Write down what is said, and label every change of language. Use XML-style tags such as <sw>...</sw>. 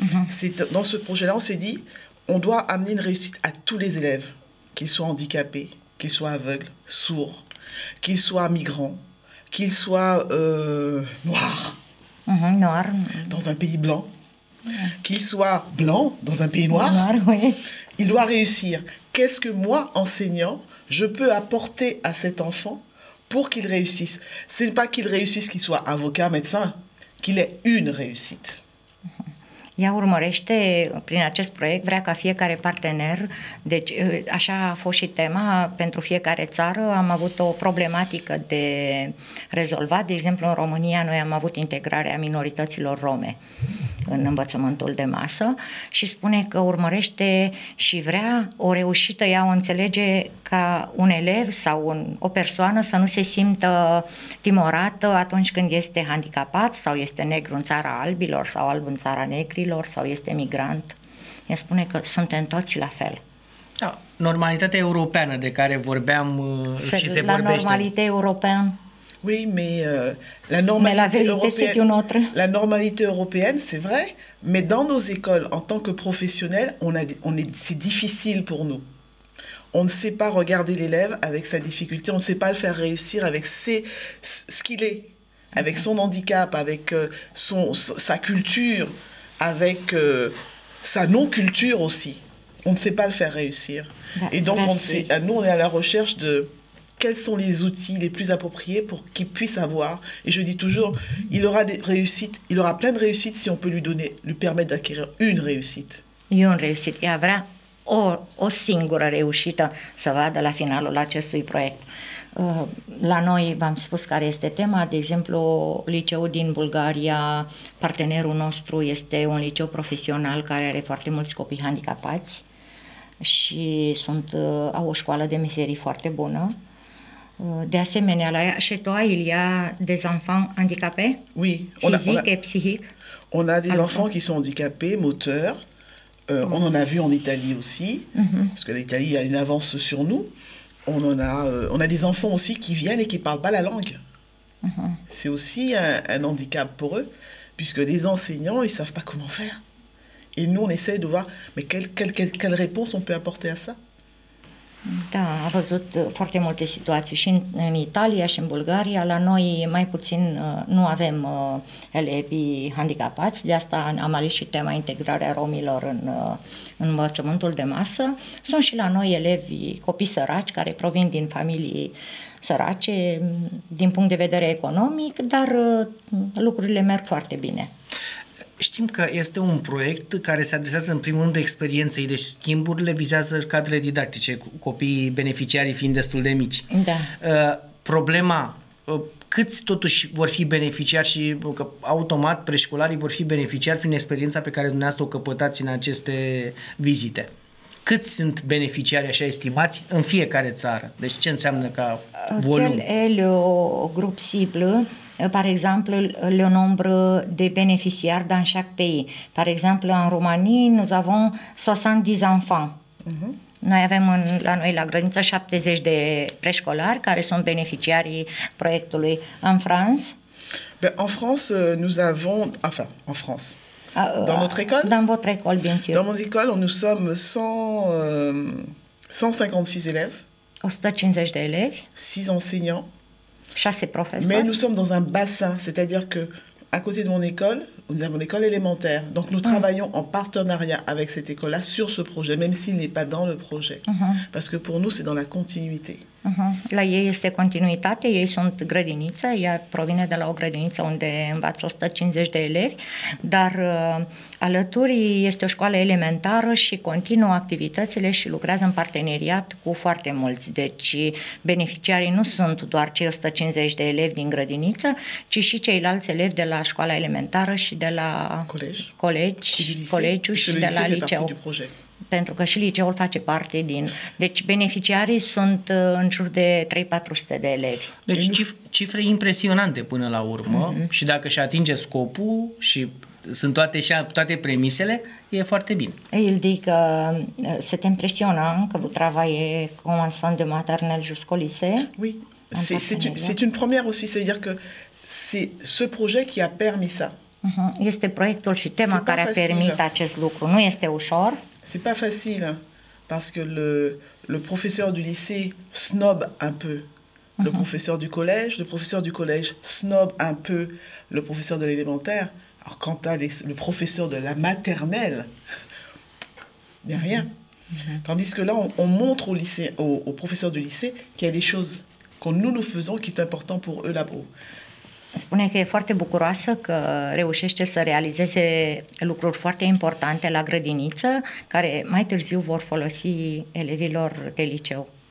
<fr>C'est, dans ce projet-là, on s'est dit, on doit amener une réussite à tous les élèves, qu'ils soient handicapés, qu'ils soient aveugles, sourds, qu'ils soient migrants, qu'ils soient noirs, dans un pays blanc. Qu'il soit blanc dans un pays noir, oui. Il doit réussir. Qu'est-ce que moi, enseignant, je peux apporter à cet enfant pour qu'il réussisse ? Ce n'est pas qu'il réussisse qu'il soit avocat, médecin, qu'il ait une réussite.</fr> <ro>Ea urmărește, prin acest proiect, vrea ca fiecare partener, deci așa a fost și tema, pentru fiecare țară am avut o problematică de rezolvat. De exemplu, în România noi am avut integrarea minorităților rome în învățământul de masă și spune că urmărește și vrea o reușită, ea o înțelege ca un elev sau o persoană să nu se simtă timorată atunci când este handicapat sau este negru în țara albilor sau alb în țara negrilor sau este migrant. Ea spune că suntem toți la fel. Da, normalitatea europeană de care vorbeam și se la vorbește. La normalitate europeană.</ro> <fr>Oui, mais la normalité européenne, c'est une autre. La normalité européenne, c'est vrai, mais dans nos écoles, en tant que professionnels, c'est difficile pour nous. On ne sait pas regarder l'élève avec sa difficulté, on ne sait pas le faire réussir avec ce qu'il est, avec son handicap, avec sa culture, avec sa non-culture aussi. On ne sait pas le faire réussir. Bah, et donc, nous, on est à la recherche de... Quels sont les outils les plus appropriés pour qu'il puisse avoir ? Et je dis toujours, il aura des réussites, il aura plein de réussites si on peut lui permettre d'acquérir une réussite. Une réussite. Il y aura</fr> <ro>o singură reușită să vadă la finalul acestui proiect. La noi v-am spus care este tema, de exemplu, liceul din Bulgaria, partenerul nostru este un liceu profesional care are foarte mulți copii handicapați și au o școală de meserii foarte bună. De asemenea,</ro> <fr>la Chetoa, il y a des enfants handicapés? Oui. Physique et psychique? On a des enfants qui sont handicapés, moteurs. On en a vu en Italie aussi, parce que l'Italie a une avance sur nous. On a des enfants aussi qui viennent et qui ne parlent pas la langue. C'est aussi un handicap pour eux, puisque les enseignants, ils ne savent pas comment faire. Et nous, on essaie de voir, mais quelle réponse on peut apporter à ça?</fr> <ro>Da, a văzut foarte multe situații și în Italia și în Bulgaria. La noi mai puțin nu avem elevii handicapați, de asta am ales și tema integrarea romilor în învățământul de masă. Sunt și la noi elevii, copii săraci care provin din familii sărace din punct de vedere economic, dar lucrurile merg foarte bine. Știm că este un proiect care se adresează în primul rând de experienței, deci schimburile vizează cadrele didactice, copiii beneficiarii fiind destul de mici. Da. Problema câți totuși vor fi beneficiari și că automat preșcolarii vor fi beneficiari prin experiența pe care dumneavoastră o căpătați în aceste vizite? Câți sunt beneficiari așa estimați în fiecare țară? Deci ce înseamnă ca volum? Cel el, o grup simplu,</ro> <fr>par exemplu, le nombre de beneficiari dans chaque pays. Par exemple,</fr> <ro>în România,</ro> <fr>nous avons 70 enfants.</fr> <ro>Noi avem la noi la grădiniță 70 de preșcolari care sunt beneficiarii proiectului în Franța.</ro> <fr>Ben, en France, nous avons... Enfin, en France. Dans notre école? Dans votre école, bien sûr. Dans mon école, nous sommes 156 élèves. 150 d'élèves. 6 enseignants. 6 professeurs. Mais nous sommes dans un bassin, c'est-à-dire que à côté de mon école, nous avons l'école élémentaire. Donc nous travaillons en partenariat avec cette école-là sur ce projet, même s'il n'est pas dans le projet. Parce que pour nous, c'est dans la continuité.</fr> <ro>La ei este continuitate, ei sunt grădiniță, ea provine de la o grădiniță unde învață 150 de elevi, dar alături este o școală elementară și continuă activitățile și lucrează în parteneriat cu foarte mulți. Deci beneficiarii nu sunt doar cei 150 de elevi din grădiniță, ci și ceilalți elevi de la școala elementară și de la colegiu și de la liceu. Pentru că și liceul face parte din... Deci beneficiarii sunt în jur de 3-400 de elevi. Deci cifre impresionante până la urmă și dacă și atinge scopul și sunt toate premisele, e foarte bine. Îl zic că se te impresiona că vă travaie cum un centru de maternel</ro> <fr>jusqu'au lycée. Oui, c'est une première aussi, c'est-à-dire que c'est ce projet qui a permis ça.</fr> <ro>Este proiectul și tema care a permis acest lucru. Nu este ușor.</ro> <fr>C'est pas facile parce que le professeur du lycée snob un peu le professeur du collège, le professeur du collège snob un peu le professeur de l'élémentaire. Alors quant à le professeur de la maternelle, il n'y a rien. Tandis que là, on montre au lycée, au professeur du lycée qu'il y a des choses que nous faisons qui est important pour eux là-bas.</fr> <ro>Spune că e foarte bucuroasă că reușește să realizeze lucruri foarte importante la grădiniță, care mai târziu vor folosi elevilor de liceu.</ro>